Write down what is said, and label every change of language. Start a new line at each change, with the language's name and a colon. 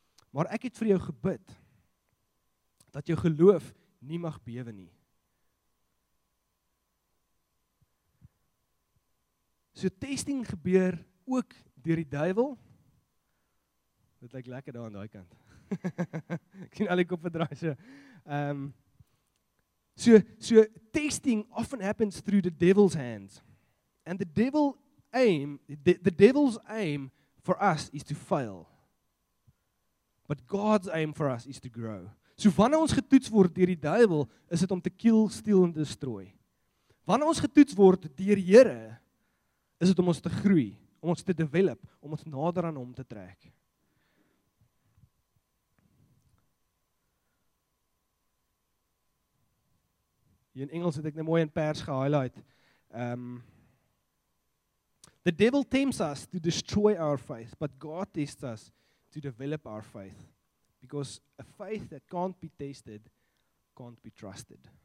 Afrikaans: Maar ek het vir jou gebid dat jou geloof nie mag bewe nie. So testing gebeur ook deur die duiwel. Dit lyk lekker daar aan daai kant. Ek sien al die koppe draai so.
English: So testing often happens through the devil's hands. And the devil's aim for us is to fail. But God's aim for us is to grow.
Afrikaans: So wanneer ons getoets word deur die duiwel, is dit om te
English: kill, steal en destroy.
Afrikaans: Wanneer ons getoets word deur die Here, is dit om ons te groei, om ons te develop, om ons nader aan hom te trek. Hier in Engels het ek nou mooi in pers ge-highlight.
English: The devil tempts us to destroy our faith, but God tests us to develop our faith. Because a faith that can't be tested, can't be trusted.